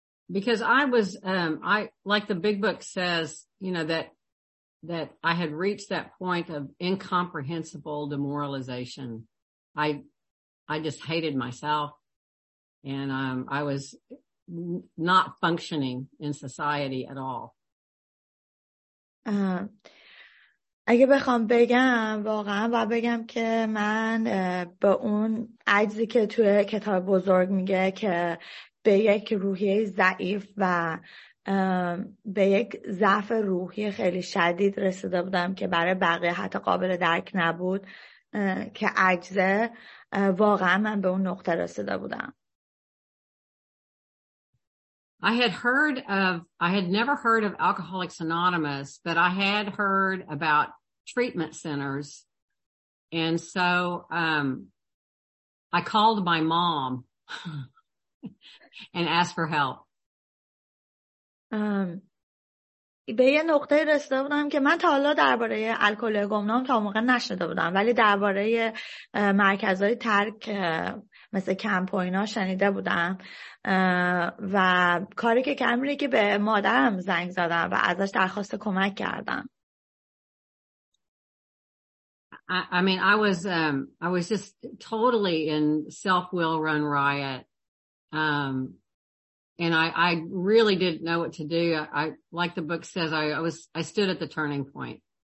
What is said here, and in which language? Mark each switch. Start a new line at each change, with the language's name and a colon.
English: Because I was, I like the big book says, you know, that I had reached that point of incomprehensible demoralization. I just hated myself, and I was not functioning in society at all.
Persian: اگه بخوام بگم واقعا و بگم که من به اون عجزی که توی کتاب بزرگ میگه که به یک روحیه ضعیف و به یک ضعف روحی خیلی شدید رسیده بودم که برای بقیه حتی قابل درک نبود که عجزه، واقعا من به اون نقطه رسیده بودم.
English: I had never heard of Alcoholics Anonymous, but I had heard about treatment centers, and so I called my mom and asked for help.
Persian: به یه نقطه رسیده بودم که من تا حالا درباره الکل گمنام تا موقع نشنیده بودم، ولی درباره مرکزهای ترک مثل کمپ و اینا شنیده بودم، و کاری که کردم اینه که به مادرم زنگ زدم و ازش درخواست کمک کردم.
English: I was just totally in self-will run riot. And I really didn't know what to do. I like the book says, I stood at the turning point.